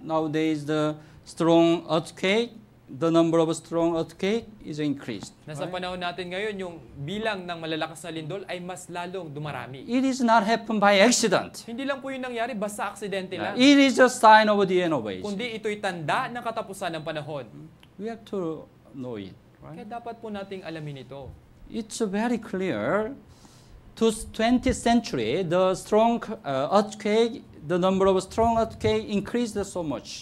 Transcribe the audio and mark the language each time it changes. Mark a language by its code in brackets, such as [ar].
[en] Nowadays, the strong earthquake, the number of strong earthquake is increased. [tl] Nasa right? Panahon natin ngayon, yung bilang ng malalakas na lindol ay mas lalong dumarami. [en] It is not happened by accident. [tl] Hindi lang po yung nangyari, basta aksidente lang. [en] It is a sign of the end of age. [tl] Kundi ito'y tanda ng katapusan ng panahon. [en] We have to know it, right? [tl] Kaya dapat po nating alamin ito. [en] It's very clear, to 20th century, the strong earthquake, the number of strong earthquake increased so much.